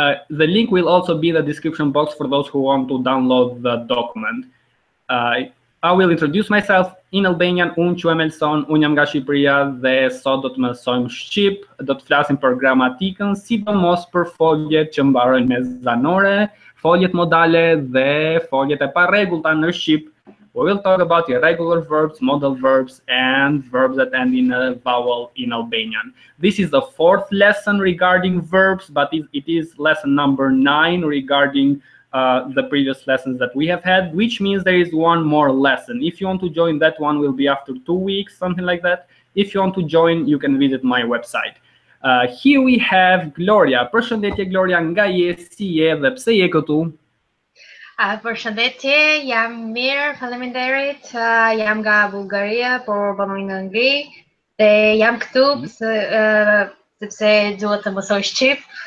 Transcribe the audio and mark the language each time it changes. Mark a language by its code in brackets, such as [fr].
[en] The link will also be in the description box for those who want to download the document. I will introduce myself in Albanian. [sq] Unë quhem Elson, unë jam nga Shqipëria, dhe sot do të mësojmë Shqip, do të flasim për gramatikën, sidomos për foljet që mbarojnë me zanore, foljet modale dhe foljet e parregullta në Shqip. [en] We will talk about irregular verbs, modal verbs, and verbs that end in a vowel in Albanian. This is the fourth lesson regarding verbs, but it is lesson number 9 regarding the previous lessons that we have had, which means there is one more lesson. If you want to join, that one will be after 2 weeks, something like that. If you want to join, you can visit my website. Here we have Gloria. [sq] Përshëndetje Gloria, nga je, si je, dhe pse je këtu? Përshëndetje, jam mirë, faleminderit. Jam nga Bullgaria, por bënoj në Angli. Dhe jam këtu sepse duhet të mësoj shqip.